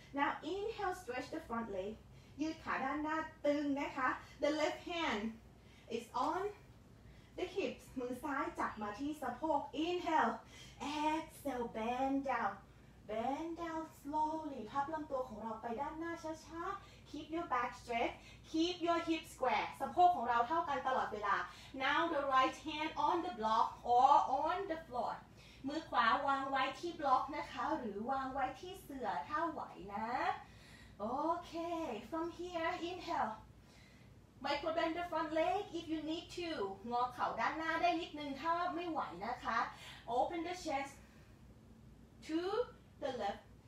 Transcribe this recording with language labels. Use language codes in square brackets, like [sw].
[en] Now inhale, stretch the front leg. [th] ยืดขาด้านหน้าตึงนะคะ [en] The left hand is on the hips. [th] มือซ้ายจับมาที่สะโพก [en] Inhale, exhale, bend down. Bend down slowly. [th] พับลำตัวของเราไปด้านหน้าช้าๆ [en] Keep your back straight. Keep your hips square. [th] สะโพกของเราเท่ากันตลอดเวลา. [en] Now the right hand on the block or on the floor. [th] มือขวาวางไว้ที่บล็อกนะคะหรือวางไว้ที่เสื่อถ้าไหวนะ. [en] Okay. From here, inhale. Microbend the front leg if you need to. [th] งอเข่าด้านหน้าได้นิดนึงถ้าไม่ไหวนะคะ. [en] Open the chest to the left.